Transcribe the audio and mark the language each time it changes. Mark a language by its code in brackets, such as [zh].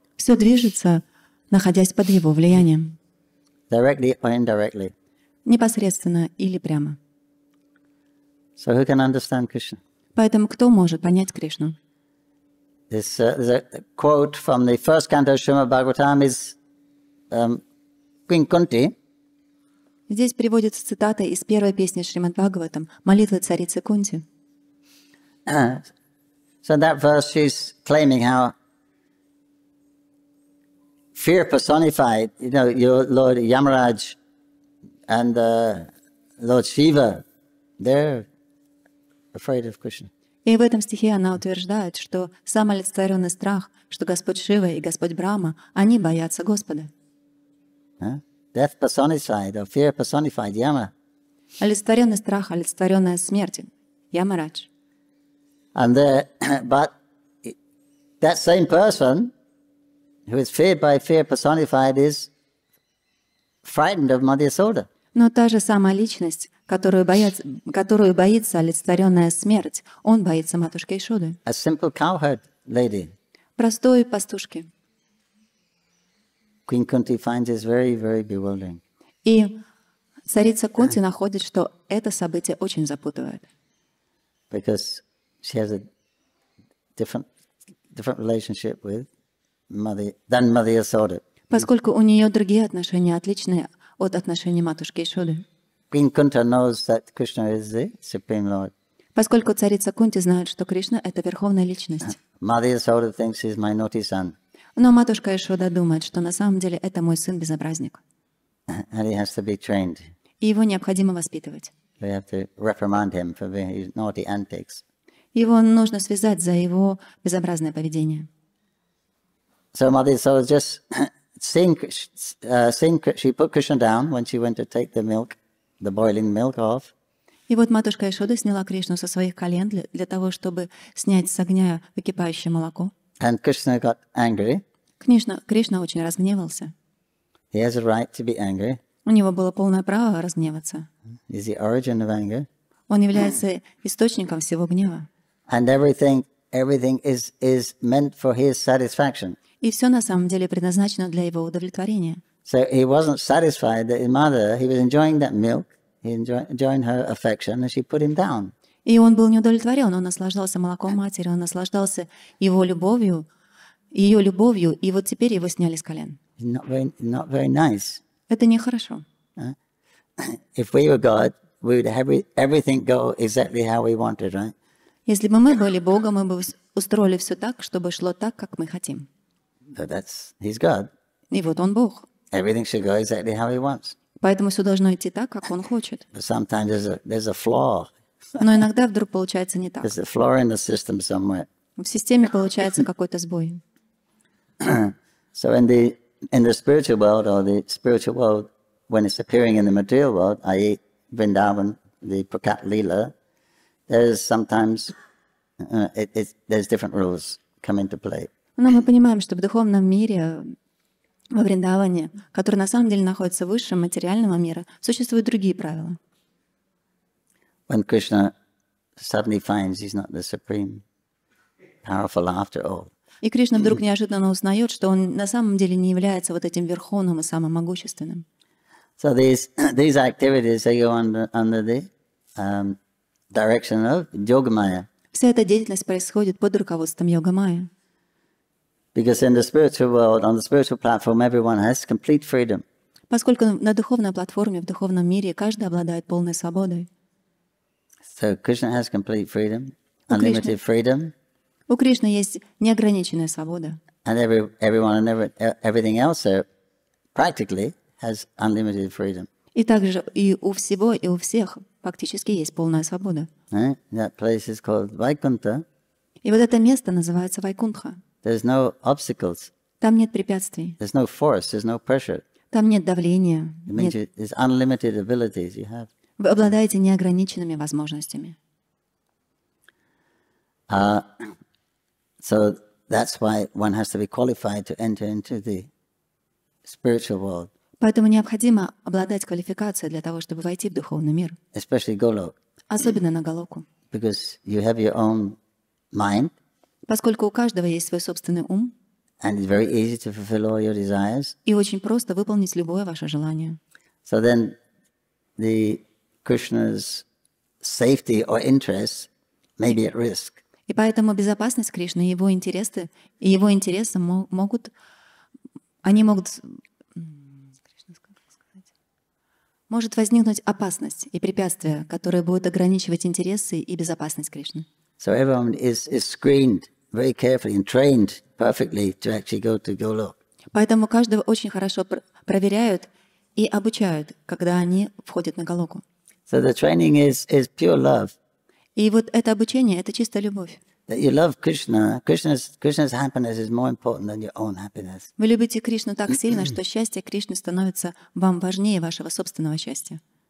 [ru] Все движется, находясь под его влиянием. [en] Directly or indirectly. [ru] Непосредственно или прямо. [en] So who can understand Krishna? [ru] Поэтому кто может понять Кришну? [en] This quote from the first canto of Shrimad Bhagavatam is Queen Kunti. [ru] Здесь приводится цитата из первой песни Шримад Бхагаватам «Молитвы царицы Кунти». [en] So that verse she's claiming how fear personified, your Lord Yamaraj and Lord Shiva, they're afraid of Krishna. [ru] И в этом стихе она утверждает, что самолицетворенный страх, что Господь Шива и Господь Брама, они боятся Господа. [en] Death personified or fear personified, Yama. [ru] Олицетворенный страх, олицетворенная смерть, Ямарадж. [en] And but that same person who is feared by fear personified is frightened of Mother Yasoda. [ru] Но та же самая личность, которую боится олицетворенная смерть, он боится матушки Ишоды. [en] A simple cowherd lady. [ru] Простой пастушки. [en] Queen Kunti finds this very, very bewildering. [ru] И царица Кунти находит, что это событие очень запутывает. [en] Because she has a different relationship with Mother Yasoda. [ru] Поскольку у нее другие отношения, отличные от отношений матушки Ишоды. [en] Queen Kunti knows that Krishna is the Supreme Lord. [ru] Поскольку царица Кунти знает, что Кришна это верховная личность. [en] Mother Yasoda thinks he's my naughty son. [ru] Но матушка Ишода думает, что на самом деле это мой сын безобразник. [en] And he has to be trained. [ru] И его необходимо воспитывать. [en] We have to reprimand him for his naughty antics. [ru] Его нужно связать за его безобразное поведение. [en] So Mother Ishoda just she put Krishna down when she went to take the milk, the boiling milk off. [ru] И вот матушка Ишода сняла Кришну со своих колен для того, чтобы снять с огня выкипающее молоко. [en] And Krishna got angry. [ru] Кришна очень разгневался. [en] He has a right to be angry. [ru] У него было полное право разгневаться. [en] is the origin of anger. [ru] Он является источником всего гнева. [en] And everything is meant for his satisfaction. [ru] И все на самом деле предназначено для его удовлетворения. [en] So he wasn't satisfied that his mother, he was enjoying that milk, he enjoying her affection, and she put him down. [ru] И он был неудовлетворен, он наслаждался молоком матери, он наслаждался его любовью, ее любовью, и вот теперь его сняли с колен. [en] Not very nice. [ru] Это нехорошо. [en] If we were God, we would have everything go exactly how we wanted, right? [ru] Если бы мы были Богом, мы бы устроили все так, чтобы шло так, как мы хотим. [en] He's God. [ru] И вот он Бог. [en] Everything should go exactly how he wants. [ru] Поэтому все должно идти так, как он хочет. [en] But sometimes there's a flaw. [ru] Но иногда вдруг получается не так. [en] There's a flaw in the system somewhere. [ru] В системе получается какой-то сбой. [en] So in the spiritual world, or the spiritual world, when it's appearing in the material world, i.e. Vrindavan, the Prakat Lila, there's different rules come into play. [ru] Но мы понимаем, что в духовном мире, во Вриндаване, который на самом деле находится выше материального мира, существуют другие правила. [en] When Krishna suddenly finds he's not the supreme, powerful after all. [ru] И Кришна вдруг неожиданно узнает, что он на самом деле не является вот этим верховным и самым могущественным. [en] So these activities are under the direction of Yoga Maya. [ru] Вся эта деятельность происходит под руководством Йога Майя. [en] Because in the spiritual world, on the spiritual platform, everyone has complete freedom. [ru] Поскольку на духовной платформе, в духовном мире, каждый обладает полной свободой. [en] So Krishna has complete freedom, unlimited freedom. [ru] У Кришны есть неограниченная свобода. [en] And everyone and everything else practically has unlimited freedom. [ru] И также и у всего и у всех фактически есть полная свобода. [en] That place is called Vaikuntha. [ru] И вот это место называется Вайкунха. [en] There's no obstacles. [ru] Там нет препятствий. [en] There's no force, there's no pressure. [ru] Там нет давления. [en] It means there's unlimited abilities you have. [ru] Вы обладаете неограниченными возможностями. [en] So that's why one has to be qualified to enter into the spiritual world. [ru] Поэтому необходимо обладать квалификацией для того, чтобы войти в духовный мир. [en] Especially Голок. [ru] Особенно на Голоку. [en] Because you have your own mind. [ru] Поскольку у каждого есть свой собственный ум. [en] And it's very easy to fulfill all your desires. [ru] И очень просто выполнить любое ваше желание. [en] So then the Krishna's safety or interest may be at risk. [ru] И поэтому безопасность Кришны и его интересы могут, они могут, может возникнуть опасность и препятствия, которые будут ограничивать интересы и безопасность Кришны. [en] So everyone is screened very carefully and trained perfectly to actually go to Golok. [ru] Поэтому каждого очень хорошо проверяют и обучают, когда они входят на Голоку. [en] So the training is pure love. [ru] И вот это обучение — это чистая любовь. [en] That you love Krishna, Krishna's happiness is more important than your own happiness. [ru] Вы любите Кришну так сильно, что счастье Кришны становится вам важнее вашего собственного счастья.